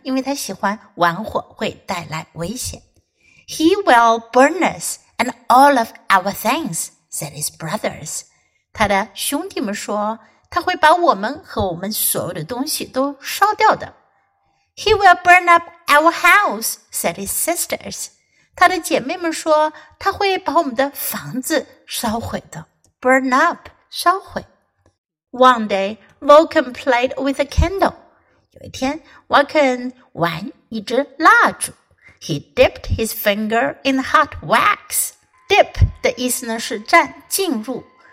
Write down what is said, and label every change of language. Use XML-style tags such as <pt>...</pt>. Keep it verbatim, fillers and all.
<zh>因为他喜欢玩火会带来危险。</zh> <en>He will burn us and all of our things, said his brothers.</en> <zh>他的兄弟们说，他会把我们和我们所有的东西都烧掉的。</zh> <en>He will burn up our house, said his sisters.</en> <zh>她的姐妹们说，她会把我们的房子烧毁的。</zh> <en>Burn up,</en> <zh>烧毁。</zh> <en>One day, Vulcan played with a candle.</en> <zh>有一天 Vulcan 玩一支蜡烛。</zh> <en>He dipped his finger in hot wax. Dip</en> <zh>的意思呢是蘸浸入。</zh>